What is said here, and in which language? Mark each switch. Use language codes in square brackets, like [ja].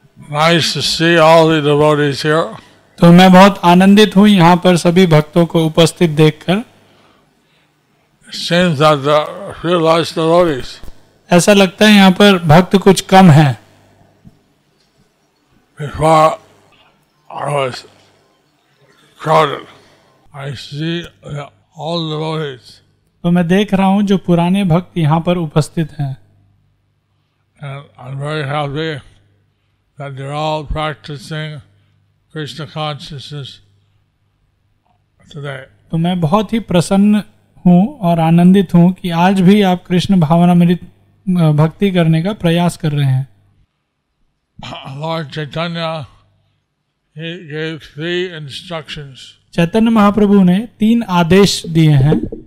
[en] Nice to see all the devotees here. [hi] तो मैं बहुत आनंदित हूँ यहाँ पर सभी भक्तों को उपस्थित देखकर. [en] Seems that there are few large devotees. [hi] ऐसा लगता है यहाँ पर भक्त कुछ कम है. [en] Before I was crowded. I see all the devotees. [hi] तो मैं देख रहा हूँ जो पुराने भक्त यहाँ पर उपस्थित हैं. [en] And I'm very happy that they're all practicing Krishna consciousness today. [hi] तो मैं बहुत ही प्रसन्न हूँ और आनंदित हूँ कि आज भी आप कृष्ण भावनामृत भक्ति करने का प्रयास कर रहे हैं. [en] Lord Chaitanya, He gave three instructions. [hi] Chaitanya Mahaprabhu ने तीन आदेश दिए हैं.